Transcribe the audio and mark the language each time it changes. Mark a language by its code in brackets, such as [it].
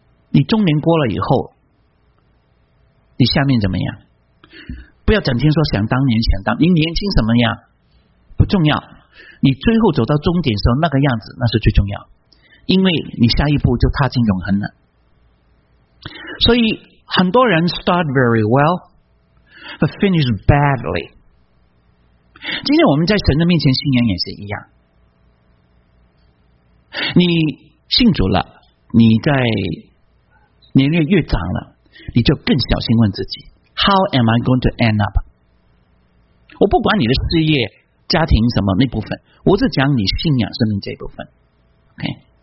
[zh] 你中年过了以后，你下面怎么样？不要整天说想当年，想当你年轻什么样不重要，你最后走到终点的时候那个样子，那是最重要，因为你下一步就踏进永恒了。所以很多人 [en] start very well but finish badly。 [zh] 今天我们在神的面前信仰也是一样，你信主了，你在年龄越长了，你就更小心问自己 [en] How am I going to end up。 [zh] 我不管你的事业家庭什么那部分，我只讲你信仰生命这部分、okay?